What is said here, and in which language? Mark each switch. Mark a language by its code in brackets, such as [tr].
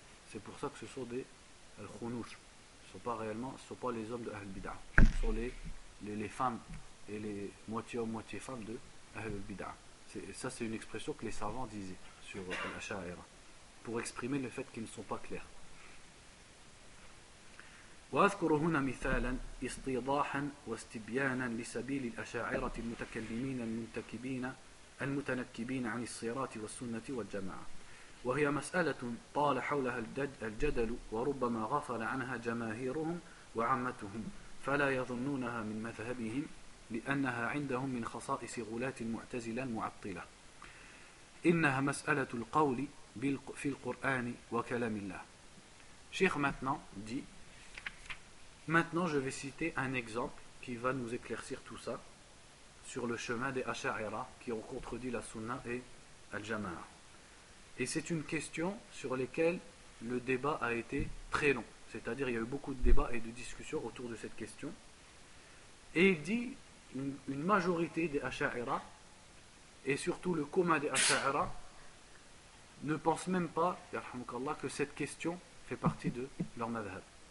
[fr] C'est pour ça que ce sont des Al-Khunush. Ce ne sont pas les hommes de Ahl Bid'a. Ce sont les femmes et les moitié hommes, moitié femmes de Ahl Bid'a. Ça, c'est une expression que les savants disaient sur l'Asha'ira pour exprimer le fait qu'ils ne sont pas clairs. [ar] وأذكر هنا مثالا استيضاحا واستبيانا لسبيل الأشاعرة المتكلمين المتنكبين عن الصراط والسنة والجماعة وهي مسألة طال حولها الجدل وربما غفل عنها جماهيرهم وعمتهم فلا يظنونها من مذهبهم لأنها عندهم من خصائص غلاة المعتزلة المعطلة إنها مسألة القول في القرآن وكلام الله. شيخ متنا دي. [fr] Maintenant, je vais citer un exemple qui va nous éclaircir tout ça sur le chemin des Asha'ira qui ont contredit la Sunna et Al-Jama'a. Et c'est une question sur laquelle le débat a été très long. C'est-à-dire il y a eu beaucoup de débats et de discussions autour de cette question. Et il dit une majorité des Asha'ira, et surtout le commun des Asha'ira, ne pense même pas, yarhamukallah, que cette question fait partie de leur madhhab.